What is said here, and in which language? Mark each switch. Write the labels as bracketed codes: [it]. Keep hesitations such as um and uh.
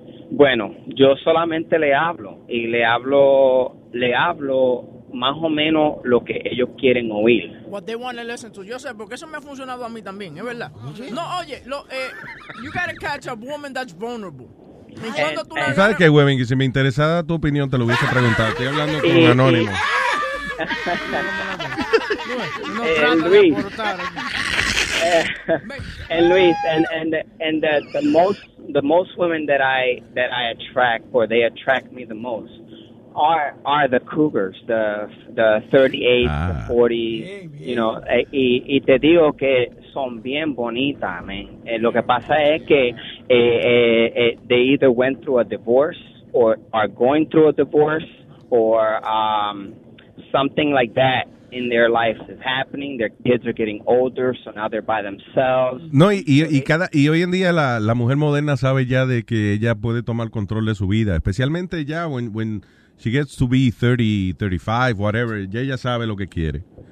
[es] Bueno, yo solamente le hablo y le hablo, le hablo más o menos lo que ellos quieren oír. [en] What they want to listen to. [es] Yo sé, porque eso me ha funcionado a mí también, es ¿eh? verdad. No, oye, [en] lo, eh, you gotta catch a woman that's vulnerable. [es] Eh, and ¿Sabes qué, [en] Webbing? [es] Si me interesada tu opinión, te lo hubiese preguntado. Estoy hablando con eh, un anónimo. Y... Luis. [en] Luis, and and, and, and, and, and the, the, the, most, the most women that I, that I attract, or they attract me the most, are are the cougars, the the 38, ah, the 40, bien, you know. [es] Eh, y, y, te digo que son bien bonitas, eh, lo que pasa es que [en] eh, eh, eh, they either went through a divorce or are going through a divorce or um, something like that in their life is happening. Their kids are getting older, so now they're by themselves. [es] No, y, y, y cada, y hoy en día la, la mujer moderna sabe ya de que ella puede tomar control de su vida, especialmente ya cuando [en] she gets to be 30, 35, whatever, [es] ya ella sabe lo que quiere.